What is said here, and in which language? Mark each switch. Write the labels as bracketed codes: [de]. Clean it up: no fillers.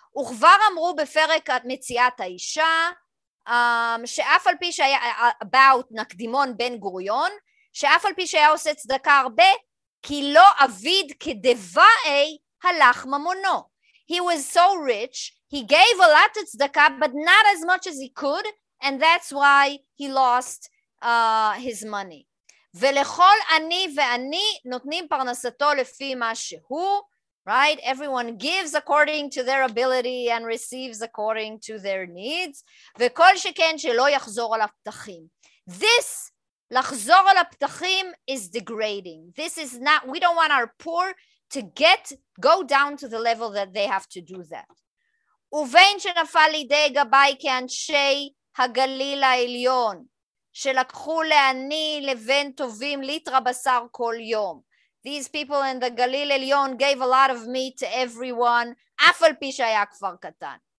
[he] וכבר אמרו בפרק מציאת האישה, שאף על פי שהיה, about נקדימון בן גוריון, שאף על פי שהיה עושה צדקה הרבה, כי לא עביד כדבעי הלך ממונו. [en] He was so rich, he gave a lot of tzedakah, but not as much as he could, and that's why he lost his money. [he] ולכל אני ואני נותנים פרנסתו לפי מה שהוא, right? [en] Everyone gives according to their ability and receives according to their needs. [he] וכל שכן שלא יחזור על הפתחים. [en] This, [he] לחזור על הפתחים, [en] is degrading. This is not, we don't want our poor to go down to the level that they have to do that. [he] ובין שנפל לידי גבי כאנשי הגליל העליון, שלקחו לעני לבין טובים ליטרה בשר כל יום. [en] These people in the Galil Elyon gave a lot of meat to everyone, [he] אף על פי שהיה כפר קטן.